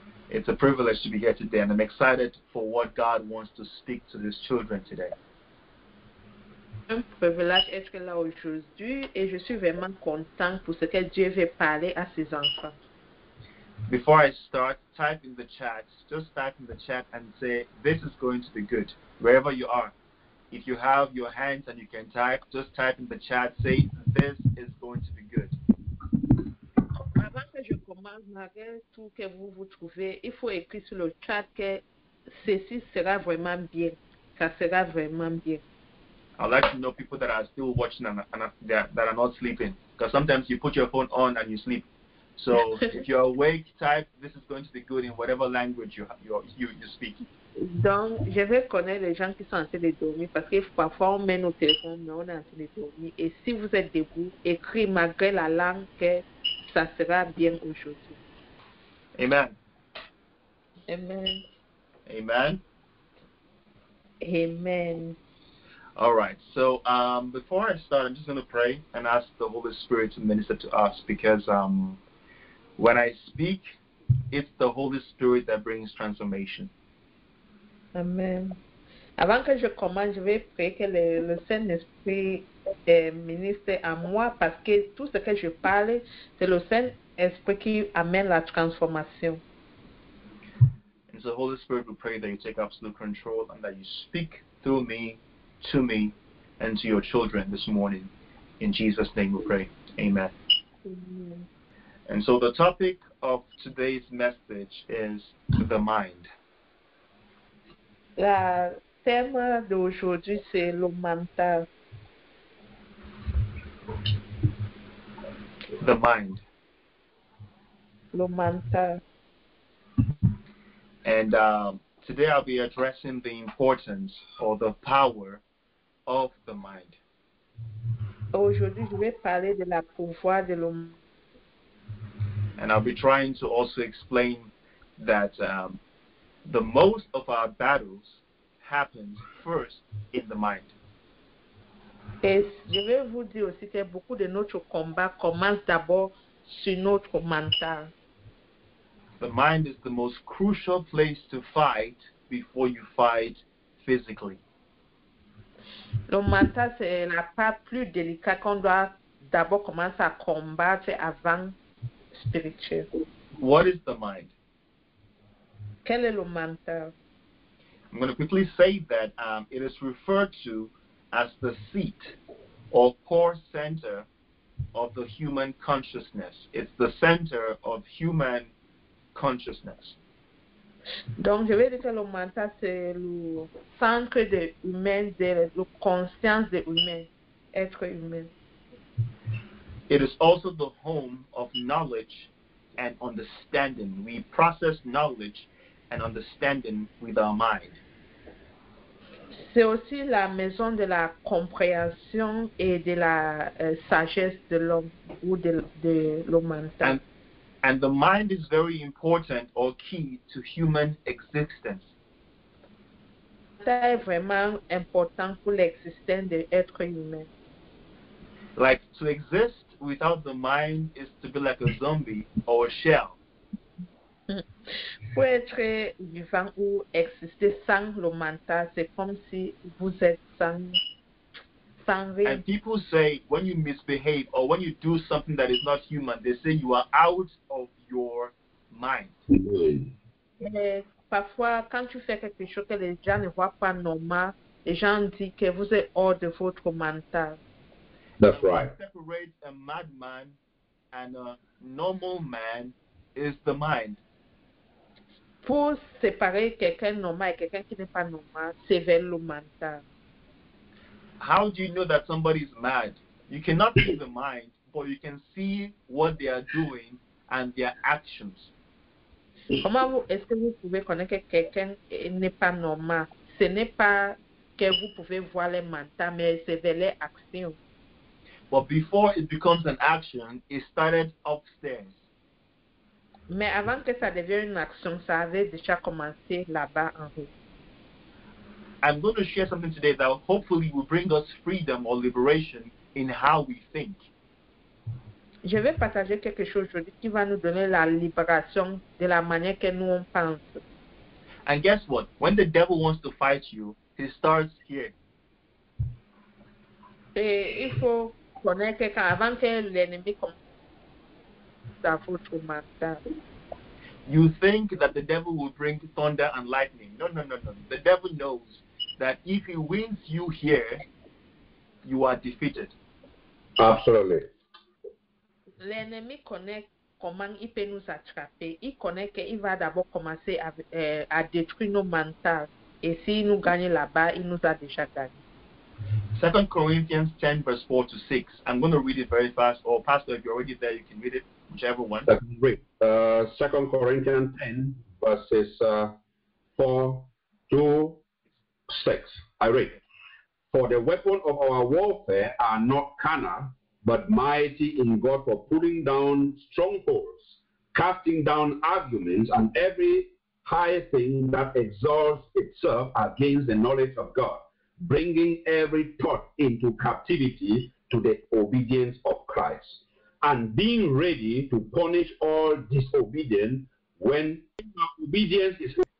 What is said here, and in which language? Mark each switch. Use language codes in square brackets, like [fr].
[en] It's a privilege to be here today, and I'm excited for what God wants to speak to His children today. [fr] Un privilège être là aujourd'hui, et je suis vraiment content pour ce que Dieu veut parler à ses enfants. [en] Before I start, type in the chat. Just type in the chat and say, "This is going to be good," wherever you are. If you have your hands and you can type, just type in the chat, say, "This is going to be good." [fr] Avant que je commence, malgré tout que vous vous trouvez, il faut écrire sur le chat que ceci sera vraiment bien. Ça sera vraiment bien. [en] I'd like to know people that are still watching and that are not sleeping. Because sometimes you put your phone on and you sleep. So if you're awake, type, "This is going to be good," in whatever language you speak. [fr] Donc, je vais connaître les gens qui sont en train de dormir parce que parfois on met nos téléphones, mais on est en train de dormir. Et si vous êtes debout, écris malgré la langue que ça sera bien aujourd'hui. [en] Amen. Amen. Amen. Amen. All right. So before I start, I'm just going to pray and ask the Holy Spirit to minister to us because when I speak, it's the Holy Spirit that brings transformation. Amen. [fr] Avant que je commence, je vais prier que le Saint-Esprit ministre à moi parce que tout ce que je parle, c'est le Saint-Esprit qui amène la transformation. [en] And so, Holy Spirit, we pray that you take absolute control and that you speak through me, to me, and to your children this morning. In Jesus' name we pray. Amen. Amen. And so, the topic of today's message is the mind. [fr] La thème d'aujourd'hui, c'est le mental. [en] The mind. [fr] Le mental. [en] And today I'll be addressing the importance or the power of the mind. [fr] Aujourd'hui, je vais parler de la pouvoir de l'homme. [en] And I'll be trying to also explain that the most of our battles happens first in the mind. [fr] Et je vais vous dire aussi que beaucoup de notre combat commence d'abord sur notre mental. [en] The mind is the most crucial place to fight before you fight physically. [fr] Le mental, c'est la part plus délicate qu'on doit d'abord commencer à combattre avant spirituel. [en] What is the mind? [fr] Quel est le mental? [en] I'm going to quickly say that it is referred to as the seat or core center of the human consciousness. It's the center of human consciousness. [fr] Donc, je vais dire que le mental, c'est le centre de humain, de la conscience de humain, être humain. [en] It is also the home of knowledge and understanding. We process knowledge and understanding with our mind. [fr] C'est aussi la maison de la compréhension et de la sagesse de l'homme ou de l'homme mental. [en] And the mind is very important or key to human existence. [fr] C'est vraiment important pour l'existence de l'être humain. [en] Like, to exist without the mind is to be like a zombie or a shell. [fr] Pour être vivant ou exister sans le mental, c'est comme si vous êtes sans rien. [en] And people say, when you misbehave or when you do something that is not human, they say you are out of your mind. [fr] Et parfois, quand tu fais quelque chose que les gens ne voient pas normal, les gens disent que vous êtes hors de votre mental. [en] That's right. What separates a madman and a normal man is the mind. [fr] Pour séparer quelqu'un normal et quelqu'un qui n'est pas normal, c'est vers le mental. [en] How do you know that somebody is mad? You cannot see the mind, but you can see what they are doing and their actions. [fr] Comment est-ce que vous pouvez connaître que quelqu'un n'est pas normal? Ce n'est pas que vous pouvez voir le mental, mais c'est vers les actions. [en] But before it becomes an action, it started upstairs. [fr] Mais avant que ça devienne une action, ça avait déjà commencé là-bas en haut. [en] I'm going to share something today that hopefully will bring us freedom or liberation in how we think. [fr] Je vais partager quelque chose aujourd'hui qui va nous donner la libération de la manière que nous on pense. [en] And guess what? When the devil wants to fight you, he starts here. [fr] Et il faut connaître qu'avant que l'ennemi commence à foutre mental. [en] You think that the devil will bring thunder and lightning. No, no, no, no. The devil knows that if he wins you here, you are defeated. Absolutely. [fr] L'ennemi connaît comment il peut nous attraper. Il connaît qu'il va d'abord commencer à détruire nos mentales. Et s'il nous gagne là-bas, il nous a déjà gagné. [en] 2 Corinthians 10, verse 4 to 6. I'm going to read it very fast. Or, Pastor, if you're already there, you can read it, whichever one. That's great. 2 Corinthians 10, verses 4 to 6. I read it. For the weapon of our warfare are not carnal, but mighty in God for putting down strongholds, casting down arguments, and every high thing that exalts itself against the knowledge of God, bringing every thought into captivity to the obedience of Christ, and being ready to punish all disobedience when obedience is...